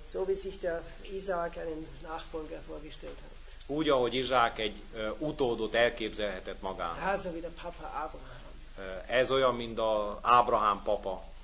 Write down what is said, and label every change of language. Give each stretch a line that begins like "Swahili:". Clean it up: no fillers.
German: So wie sich der Isaac einen Nachfolger vorgestellt hat.
Hungarian: Úgy, ahogy Izsák egy utódot elképzelhetett magának.
German: Also wie der Papa Abraham.
Hungarian: Ez olyan, mint a Ábrahám papa.